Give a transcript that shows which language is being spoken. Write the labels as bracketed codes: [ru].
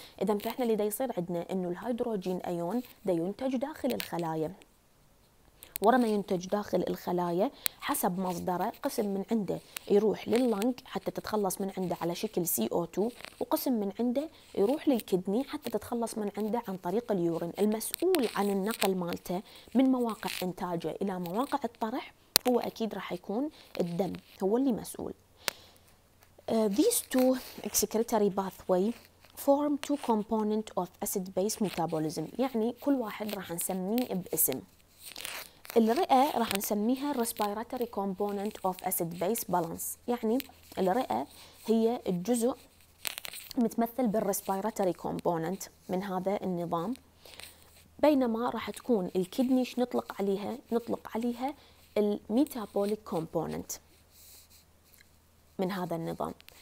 [ar] إذا فإحنا اللي دا يصير عندنا إنه الهيدروجين أيون دا ينتج داخل الخلايا، ورما ينتج داخل الخلايا حسب مصدره قسم من عنده يروح لللنج حتى تتخلص من عنده على شكل CO2، وقسم من عنده يروح للكدني حتى تتخلص من عنده عن طريق اليورين. المسؤول عن النقل مالته من مواقع انتاجه الى مواقع الطرح هو اكيد راح يكون الدم، هو اللي مسؤول. [en] these two excretory pathway form two component of acid base metabolism. [ar] يعني كل واحد راح نسميه باسم. الرئة راح نسميها [en] respiratory component of acid base balance. [ar] يعني الرئة هي الجزء متمثل بالrespiratory component من هذا النظام. بينما راح تكون الكدني ايش نطلق عليها؟ نطلق عليها الميتابوليك كومبوننت من هذا النظام.